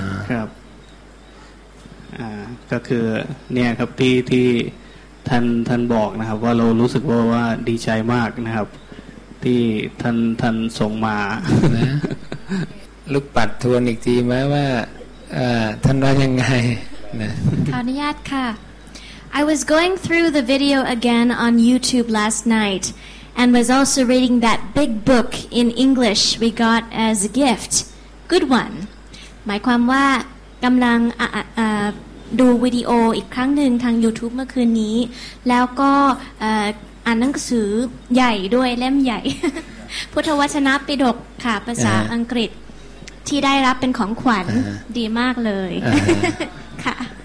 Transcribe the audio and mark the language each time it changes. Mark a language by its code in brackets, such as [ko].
[th] ครับก็คือเนี่ยครับที่ท่านบอกนะครับว่าเรารู้สึกว่าดีใจมากนะครับที่ท่านส่งมาน ะลูกปัดทวนอีกทีไหมว่าท่านว่ายังไง ขออนุญาตค่ะ [en] I was going through the video again on YouTube last night and was also reading that big book in English we got as a gift good one [th] หมายความว่ากำลังดูวิดีโออีกครั้งหนึ่งทาง YouTube เมื่อคืนนี้แล้วก็อ่านหนังสือใหญ่ด้วยเล่มใหญ่พุทธวจนะปิฎกค่ะภาษาอังกฤษที่ได้รับเป็นของขวัญดีมากเลยค่ะ